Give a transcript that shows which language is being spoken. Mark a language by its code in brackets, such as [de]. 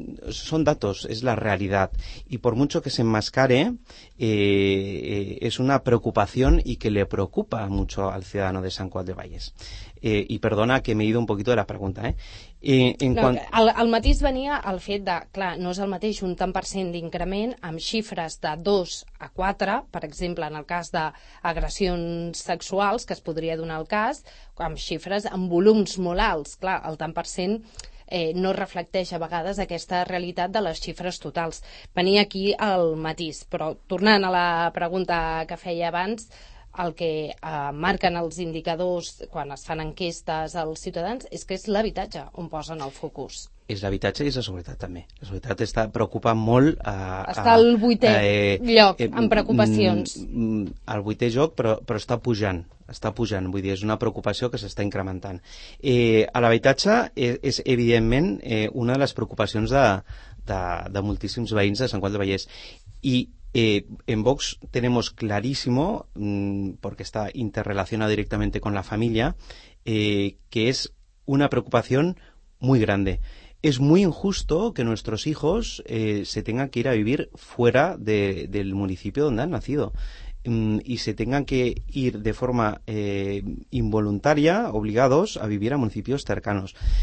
[es] son datos, es la realidad. Y por mucho que se enmascare, es una preocupación y que le preocupa mucho al ciudadano de San Juan de Valles. Y perdona que me he ido un poquito de la pregunta, [ca] El matís venia al fet de, clar, no és el mateix un tant per cent d'increment amb xifres de 2 a 4, per exemple, en el cas d'agressions sexuals, que es podria donar el cas, amb xifres amb volums molt alts. Clar, el tant per cent no reflecteix a vegades aquesta realitat de les xifres totals. Venia aquí el matís, però tornant a la pregunta que feia abans, el que marquen els indicadors quan es fan enquestes als ciutadans és que és l'habitatge on posen el focus. És l'habitatge i és la seguretat també. La seguretat està preocupant molt... està al vuitè lloc, amb preocupacions. Al vuitè lloc, però està pujant. Està pujant, vull dir, és una preocupació que s'està incrementant. A l'habitatge és evidentment una de les preocupacions de moltíssims veïns de Sant Cugat del Vallès. [es] I en Vox tenemos clarísimo, porque está interrelacionado directamente con la familia, que es una preocupación muy grande. Es muy injusto que nuestros hijos se tengan que ir a vivir fuera del municipio donde han nacido y se tengan que ir de forma involuntaria, obligados, a vivir a municipios cercanos.